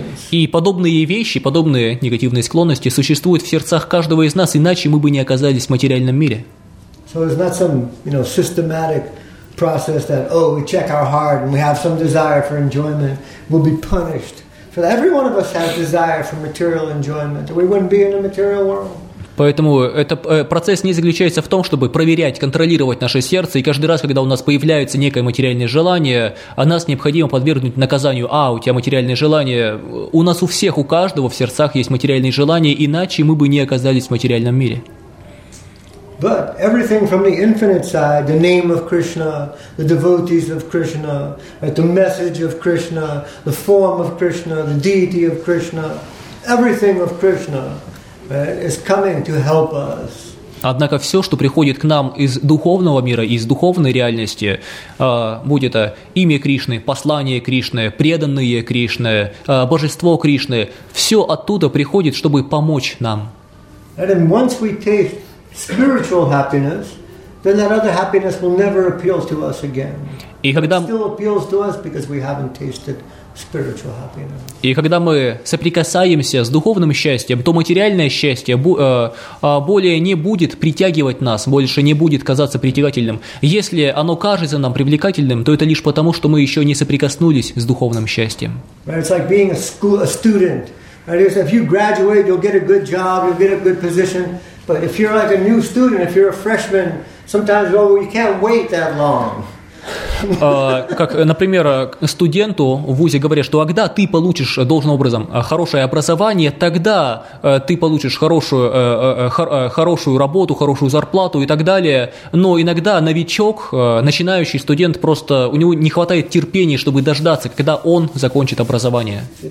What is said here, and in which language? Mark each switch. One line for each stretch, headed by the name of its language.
Russian: И подобные вещи, подобные негативные склонности существуют в сердцах каждого из нас, иначе мы бы не оказались в материальном мире.
English: So it's not some, you know, systematic process that, oh, we check our heart and we have some desire for enjoyment, we'll be punished. For every one of us has desire for material enjoyment, or we wouldn't be in a material world.
Russian: Поэтому этот процесс не заключается в том, чтобы проверять, контролировать наше сердце, и каждый раз, когда у нас появляется некое материальное желание, нас необходимо подвергнуть наказанию. А, у тебя материальное желание. У нас у всех, у каждого в сердцах есть материальные желания, иначе мы бы не оказались в материальном мире.
English: But everything from the infinite side, the name of Krishna, the devotees of Krishna, right, the message of Krishna, the form of Krishna, the deity of Krishna, everything of Krishna, right, is coming to help us.
Russian: Однако все, что приходит к нам из духовного мира, из духовной реальности, будь это имя Кришны, послание Кришны, преданные Кришны, божество Кришны, все оттуда приходит, чтобы помочь нам.
English: And then once we taste spiritual happiness, then that other happiness will never appeal to us again.
Russian: И когда...
English: It still appeals to us because we haven't tasted spiritual happiness.
Russian: И когда мы соприкасаемся с духовным счастьем, то материальное счастье более не будет притягивать нас, больше не будет казаться притягательным. Если оно кажется нам привлекательным, то это лишь потому, что мы еще не соприкоснулись с духовным счастьем.
English: Right, it's like being a student. Right? If you graduate, you'll get a good job, you'll get a good position. But if you're like a new student, if you're a freshman, sometimes, well, you can't wait that long.
Russian: Как, например, студенту в вузе говорят, что когда ты получишь должным образом хорошее образование, тогда ты получишь хорошую работу, хорошую зарплату и так далее. Но иногда новичок, начинающий студент, просто у него не хватает терпения, чтобы дождаться, когда он закончит образование.